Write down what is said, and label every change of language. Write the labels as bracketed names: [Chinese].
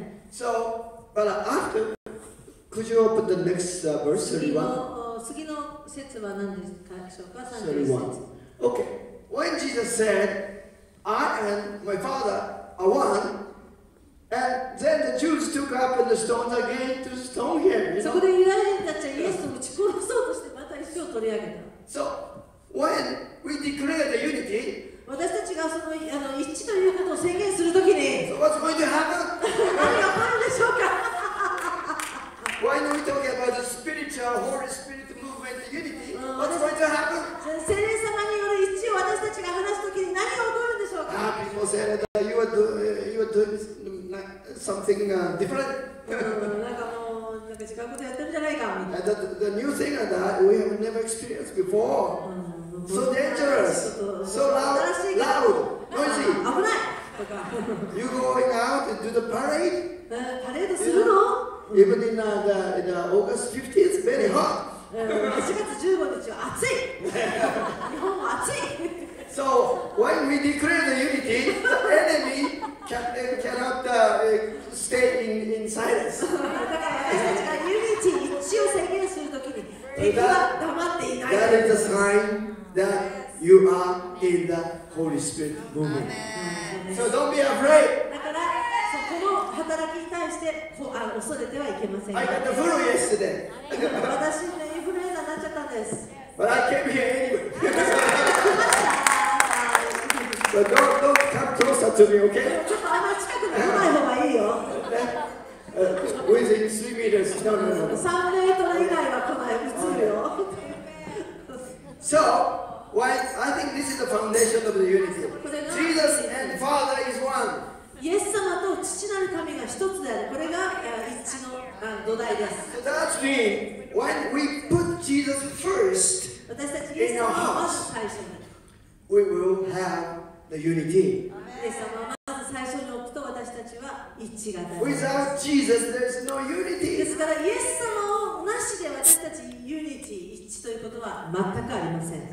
[English] So, but after, could you open the next verse 31? Okay. When Jesus said, I and my Father are one, and then the Jews took took up the stones again to stone him. [Japanese] そこでユダヤ人たちはイエスを打ち殺そうとしてまた石を取り上げた。 [English] So when we declare the unity, [Japanese] 私たちがその、あの、一致ということを宣言するときに、 [English] So what's going to happen? [Japanese] 何が起こるんでしょうか。 [English] Why don't we talk about the spiritual Holy Spirit movement unity? What's going to happen? [Japanese] 聖霊様による一致を私たちが話すときに何が起こるんでしょうか。 [English] Ah, people say that you are doing something different. [Japanese] なんか違うことやってるじゃないか。 [English] And the new thing that we have never experienced before. So dangerous. So loud. Loud. Noisy. [Japanese] 危ない。とか。 [English] You going out to do the parade? [Japanese] パレードするの？ [English] Even in the August 15th, it's very hot. [Japanese] 8月15日は暑い。日本も暑い。 [English] So when we declare the unity, the enemy cannot stay in silence. [Japanese] だから私たちがユニティ一致を宣言するときに敵は黙っていない。 [English] That is the sign that you are in the Holy Spirit movement. So don't be afraid. [Japanese] だから。この働きに対して恐れてはいけません。私ね、インフルエンザになっちゃったんです。 [English] But I came here anyway. So don't come closer to me, okay? [Japanese] ちょっとあんま近くに来ない方がいいよ。 [English] Within 3 meters. No, no, no. [Japanese] 3メートル以外は来ない。普通よ。 [English] So, why? I think this is the foundation of the unity. Jesus and Father is one. [Japanese] イエス様と父なる神が一つである。これが一致の土台です。 [English] So that means when we put Jesus first in our hearts, we will have the unity. [Japanese] イエス様をまず最初に置くと私たちは一致が出ます。 [English] Without Jesus, there's no unity. [Japanese] ですからイエス様をなしで私たちユニティ一致ということは全くありません。